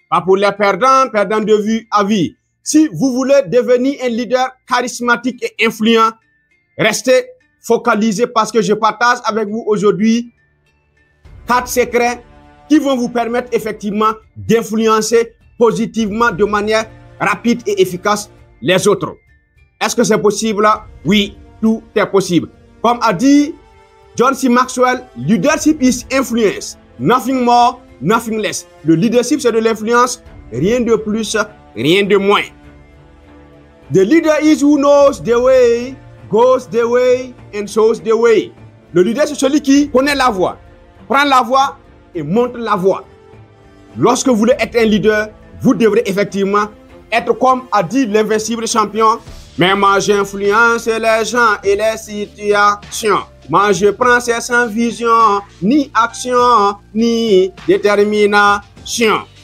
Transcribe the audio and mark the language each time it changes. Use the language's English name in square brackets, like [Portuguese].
[French] Pas pour les perdants de vue à vie. Si vous voulez devenir un leader charismatique et influent, restez focalisé parce que je partage avec vous aujourd'hui 4 secrets qui vont vous permettre effectivement d'influencer positivement de manière rapide et efficace les autres. Est-ce que c'est possible? Oui, tout est possible. Comme a dit John C. [English] Maxwell, leadership is influence, nothing more, nothing less. [French] Le leadership, c'est de l'influence, rien de plus, rien de moins. [English] The leader is who knows the way, goes the way, and shows the way. [French] Le leader, c'est celui qui connaît la voie, prend la voie et montre la voie. Lorsque vous voulez être un leader, vous devrez effectivement être comme a dit l'invincible champion. Mais moi, j'influence les gens et les situations. Moi, je prends ces sans vision, ni action, ni détermination.